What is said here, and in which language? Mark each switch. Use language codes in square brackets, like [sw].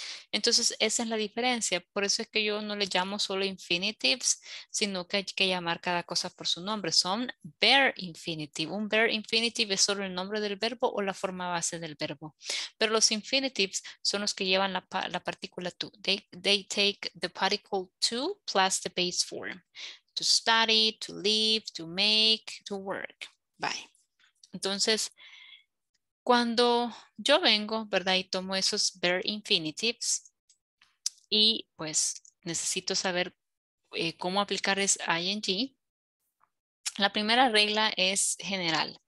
[es] Entonces, esa es la diferencia. Por eso es que yo no le llamo solo infinitives, sino que hay que llamar cada cosa por su nombre. Son bare infinitive. Un bare infinitive es solo el nombre del verbo o la forma base del verbo. Pero los infinitives son los que llevan la partícula to. [en] They take the particle to plus the base form. To study, to live, to make, to work. Bye. [es] Entonces, cuando yo vengo, ¿verdad? Y tomo esos bare infinitives y pues necesito saber cómo aplicar es ing, la primera regla es general.